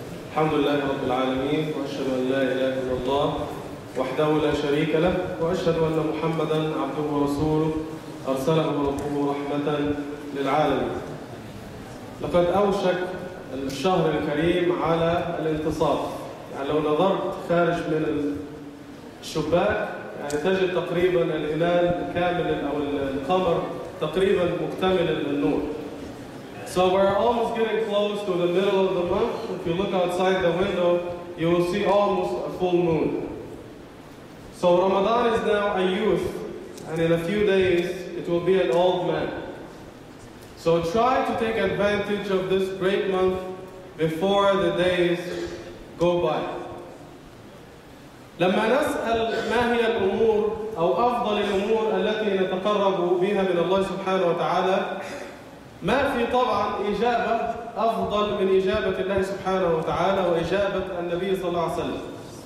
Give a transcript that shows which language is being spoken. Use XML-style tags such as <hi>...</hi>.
<ar>الحمد لله رب العالمين، وأشهد أن لا إله إلا الله وحده لا شريك له، وأشهد أن محمدا عبده ورسوله أرسله ربه رحمة للعالمين. لقد أوشك الشهر الكريم على الانتصاف، يعني لو نظرت خارج من الشباك يعني تجد تقريبا الهلال كامل أو القمر تقريبا مكتمل النور.</ar> <en>So we're almost getting close to the middle of the month. If you look outside the window, you will see almost a full moon. So Ramadan is now a youth, and in a few days it will be an old man. So try to take advantage of this great month before the days go by.</en> <ar>لما نسأل ما هي الأمور أو أفضل الأمور التي نتقرب بها من الله سبحانه وتعالى، ما في طبعا إجابة أفضل من إجابة الله سبحانه وتعالى وإجابة النبي صلى الله عليه وسلم.</ar>